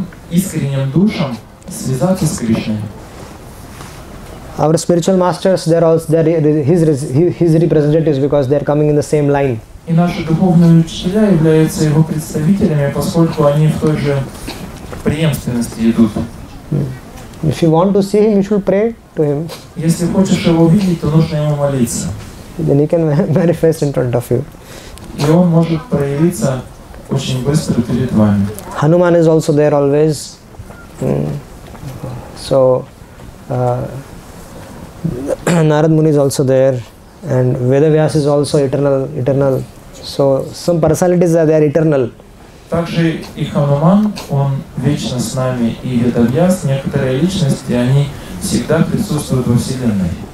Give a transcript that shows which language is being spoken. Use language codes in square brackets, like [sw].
[ru] Искренним душам связаться с Кришной. [en] Our spiritual masters, they're also they're his representatives because they're coming in the same line. [ru] И наши духовные учителя являются его представителями, поскольку они в той же преемственности идут. [en] If you want to see him, you should pray to him. [ru] Если хочешь его увидеть, то нужно ему молиться. [en] Then he can manifest in front of you. [ru] И он может проявиться очень быстро перед вами. [en] Hanuman is also there always. So Narad Muni is also there, and Vedavyas is also eternal. So some personalities are there eternal. [ru] Также и Хануман, он вечно с нами, и Ведавьяс, некоторые личности, они всегда присутствуют во Вселенной.